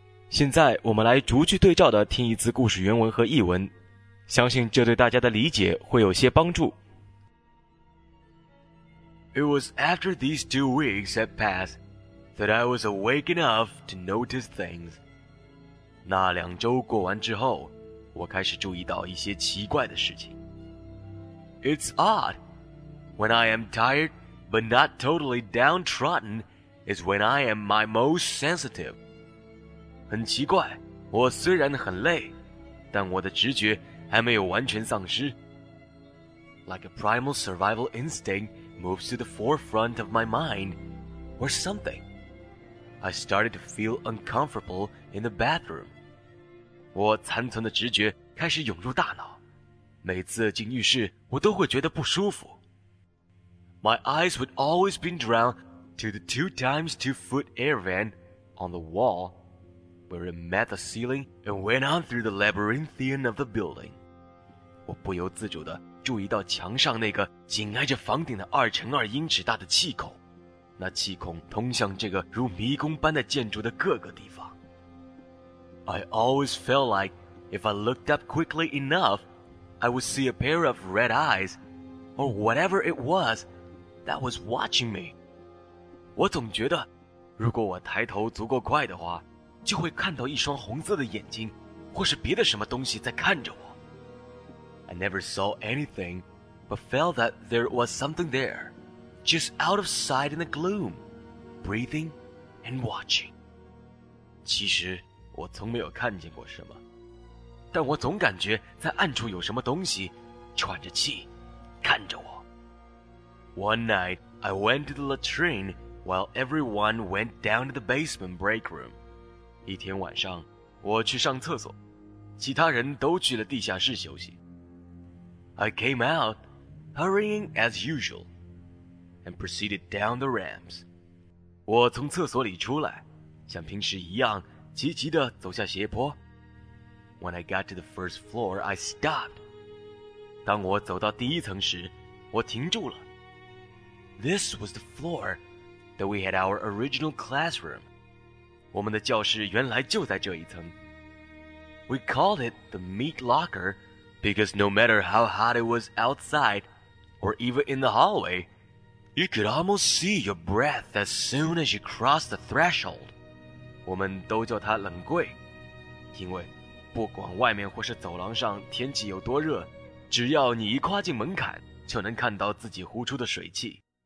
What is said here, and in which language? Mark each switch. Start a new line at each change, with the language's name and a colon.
Chinese: 现在我们来逐句对照的听一次故事原文和译文，相信这对大家的理解会有些帮助。
English: It was after these 2 weeks had passed that I was awake enough to notice things.
Chinese: 那两周过完之后，我开始注意到一些奇怪的事情。
English: It's odd. When I am tired but not totally downtrodden is when I am my most sensitive.
Chinese: 很奇怪，我虽然很累，但我的直觉还没有完全丧失。
English: Like a primal survival instinct moves to the forefront of my mind, or something. I started to feel uncomfortable in the bathroom.
Chinese: 我残存的直觉开始涌入大脑，每次进浴室，我都会觉得不舒服。
English: My eyes would always be drawn to the 2x2-foot air vent on the wall. Where it met the ceiling and went on through the labyrinthian of the building.
Chinese: 我不由自主地注意到墙上那个紧挨着房顶的2×2英尺大的气孔。那气孔通向这个如迷宫般的建筑的各个地方。
English: I always felt like if I looked up quickly enough, I would see a pair of red eyes, or whatever it was, that was watching me.
Chinese: 我总觉得，如果我抬头足够快的话，就会看到一双红色的眼睛，或是别的什么东西在看着我。
English: I never saw anything, but felt that there was something there, just out of sight in the gloom, breathing and watching.
Chinese: 其实我从没有看见过什么，但我总感觉在暗处有什么东西喘着气看着我。
English: One night, I went to the latrine while everyone went down to the basement break room.
Chinese: 一天晚上我去上厕所，其他人都去了地下室休息。
English: I came out, hurrying as usual, and proceeded down the ramps.
Chinese: 我从厕所里出来，像平时一样急急地走下斜坡。
English: When I got to the first floor, I stopped.
Chinese: 当我走到第一层时，我停住了。
English: This was the floor that we had our original classroom.
Chinese: 我们的教室原来就在这一层。
English: We called it the meat locker,Because no matter how hot it was outside, or even in the hallway, you could almost see your breath as soon as you crossed the threshold.
Chinese: 我们都叫它冷柜，因为不管外面或是走廊上天气有多热，只要你一跨进门槛，就能看到自己呼出的水汽。